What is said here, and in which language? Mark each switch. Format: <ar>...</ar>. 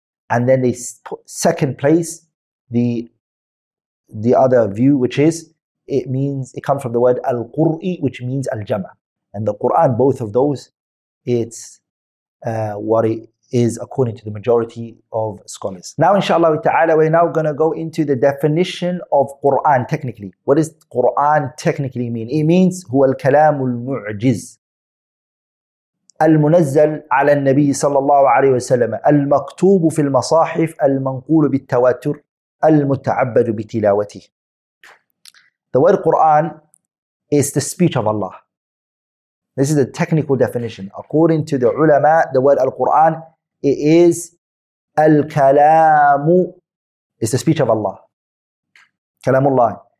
<en>And then they put second place the other view, which is it means it comes from the word القرئي, which means الجمع. And the Quran, both of those, it's what it is according to the majority of scholars. Now, inshallah ta'ala, we're now going to go into the definition of Qur'an technically. What does Qur'an technically mean? It means,</en> <ar>هو الكلام المعجز المنزل على النبي صلى الله عليه وسلم المكتوب في المصاحف المنقول بالتواتر المتعبد بتلاوته.</ar> <en>The word Qur'an is the speech of Allah. This is a technical definition. According to the ulama, the word Al-Qur'an, it is al-kalamu, it's the speech of Allah. Kalamullah.</en>